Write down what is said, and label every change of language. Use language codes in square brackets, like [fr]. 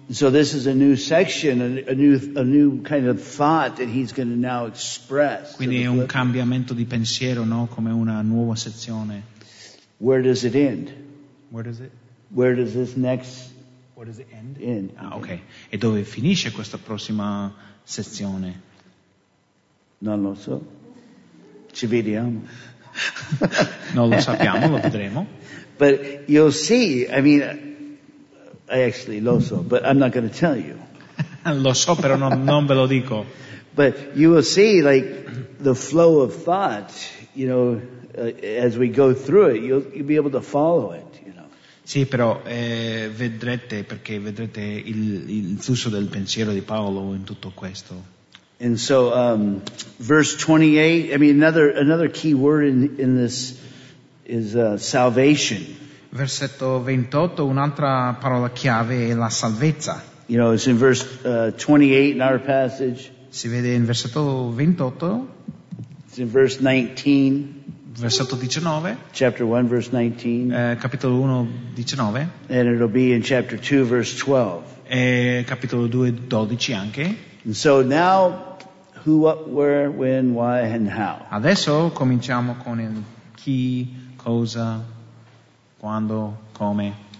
[en] So this is a new section, a new kind of thought that he's going to now express. [it] Quindi è un cambiamento di pensiero, no? Come una nuova sezione. [en] Where does it end? Where does it? Where does this next? Where does it end? End. [it] Ah, okay. E dove finisce questa prossima sezione? Non lo so. Ci vediamo. Non lo sappiamo, lo vedremo. [en] But you'll see, I mean, I actually [it] lo so, [en] but I'm not going to tell you. [it] Lo so, però non ve lo dico. [en] But you will see, like, the flow of thought, you know, as we go through it, you'll be able to follow it, you know. [it] Sì, però vedrete, perché vedrete il flusso del pensiero di Paolo in tutto questo. [en] And so verse 28, I mean, another key word in this is salvation. [it] Versetto 28, un'altra parola chiave è la salvezza. [en] You know, it's in verse 28 in our passage. [it] Si vede in versetto 28. [en] It's in verse 19. [it] Versetto 19. [en] Chapter 1, verse 19. [it] Capitolo 1, 19. [en] And it'll be in chapter 2, verse 12. [it] E capitolo 2, 12 anche. [en] And so now, who, what, where, when, why, and how. [it] Adesso cominciamo con il chi, cosa, quando, come.